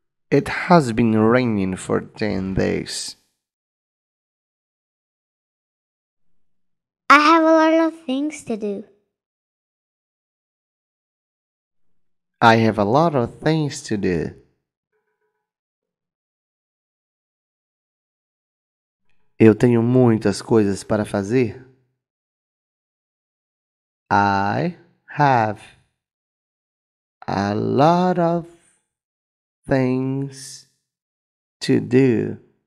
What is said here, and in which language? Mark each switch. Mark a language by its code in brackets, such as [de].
[en] It has been raining for 10 days. I have a lot of things to do. I have a lot of things to do. [pt] Eu tenho muitas coisas para fazer. [en] I have a lot of things to do.